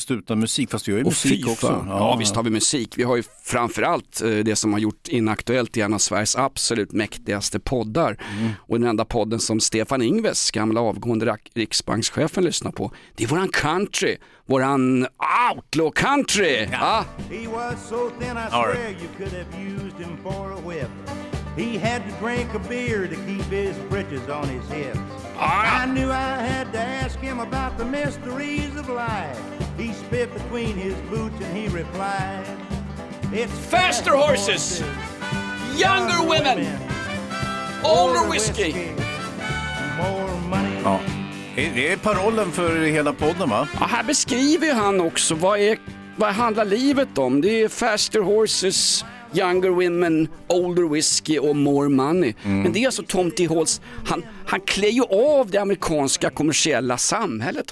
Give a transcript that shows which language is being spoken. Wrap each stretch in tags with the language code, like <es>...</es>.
<sv>Fast utan musik, fast vi gör ju musik också. Ja, visst har vi musik. Vi har ju framförallt det som har gjort Inaktuellt i en av Sveriges absolut mäktigaste poddar. Mm. Och den enda podden som Stefan Ingves, gamla avgående riksbankschefen, lyssnar på, det är våran country. Våran outlaw country.</sv> <en>He was so thin, I swear you could have used him for a whip. He had to drink a beer to keep his britches on his hips. I knew I had to ask him about the mysteries of life. He spit between his boots and he replied, it's faster horses, younger women, older whiskey, more money.</en> <sv>Det är parollen för hela podden, va? Ja, här beskriver han också vad handlar livet om. Det är</sv> <en>faster horses, younger women, older whiskey</en> <sv>och</sv> <en>more money.</en> <sv>Mm. Men det är alltså Tom T. Halls, han klär ju av det amerikanska kommersiella samhället.</sv>